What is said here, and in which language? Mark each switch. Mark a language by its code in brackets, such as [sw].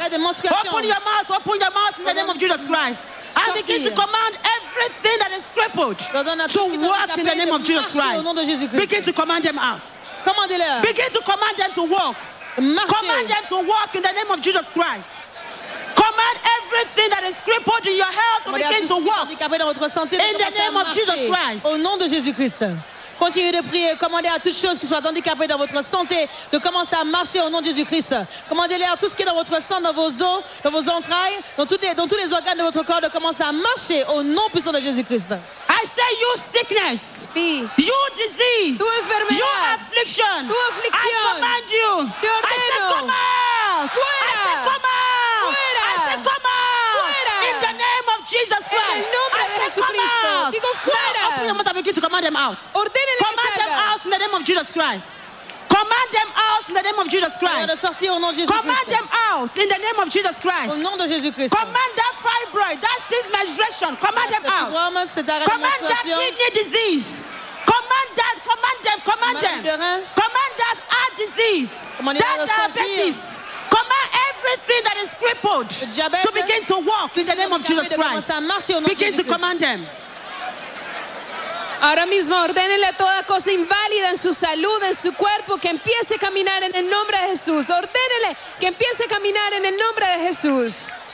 [en] Open your mouth. Open your mouth in the name of Jesus Christ. I begin to command everything that is crippled to walk in the name of Jesus Christ. Begin to command them out. Begin to command them to walk. Command them to walk in the name of Jesus Christ. Command everything that is crippled in your health to begin to walk in the name of Jesus Christ. [fr] Au nom de Jésus Christ. Continuez de prier, commandez à toutes choses qui soient handicapées dans votre santé de commencer à marcher au nom de Jésus-Christ. Commandez-les à tout ce qui est dans votre sang, dans vos os, dans vos entrailles, dans tous les organes de votre corps de commencer à marcher au nom puissant de Jésus-Christ. [en] I say you sickness, you disease, you affliction, I command you, I say come out, I say come out, I say come out, in the name of Jesus Christ, I say come out. Open your mouth and begin to command them out. Command them out in the name of Jesus Christ. Command them out in the name of Jesus Christ. Command them out in the name of Jesus Christ. [fr] Au nom de Jésus Christ. [en] Command that fibroid, that cyst menstruation, command them out. Command that kidney disease. Command that, command them, command them. Command that heart disease. That diabetes. Command everything that is crippled to begin to walk in the name of Jesus Christ. Begin to command them. [es] Ahora mismo ordénele a toda cosa inválida en su salud, en su cuerpo, que empiece a caminar en el nombre de Jesús. Ordénele que empiece a caminar en el nombre de Jesús.